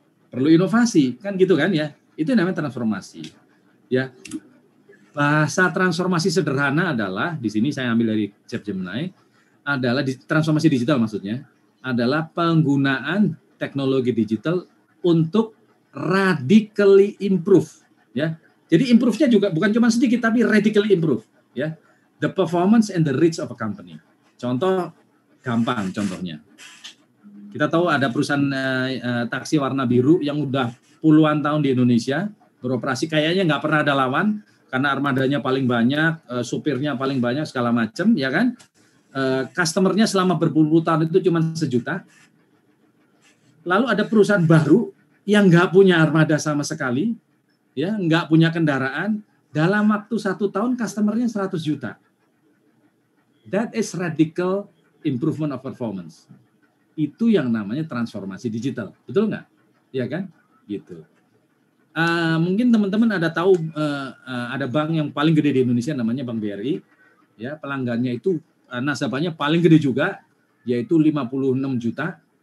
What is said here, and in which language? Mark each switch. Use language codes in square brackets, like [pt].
[id] Perlu inovasi, kan gitu kan ya? Itu namanya transformasi. Ya, bahasa transformasi sederhana adalah di sini saya ambil dari Jeff Gemini, adalah transformasi digital maksudnya adalah penggunaan teknologi digital untuk [en] radically improve, [id] ya. Jadi improve-nya juga bukan cuma sedikit tapi radically improve, ya. [en] The performance and the reach of a company. [id] Contoh gampang contohnya. Kita tahu ada perusahaan taksi warna biru yang udah puluhan tahun di Indonesia beroperasi, kayaknya enggak pernah ada lawan karena armadanya paling banyak, supirnya paling banyak segala macam, ya kan? Customer-nya selama berpuluh tahun itu cuma 1 juta. Lalu ada perusahaan baru yang nggak punya armada sama sekali, ya nggak punya kendaraan, dalam waktu 1 tahun customernya 100 juta. [en] That is radical improvement of performance. [id] Itu yang namanya transformasi digital, betul nggak? Ya kan, gitu. Mungkin teman-teman ada tahu ada bank yang paling gede di Indonesia namanya Bank BRI, ya pelanggannya itu nasabahnya paling gede juga, yaitu 56 juta.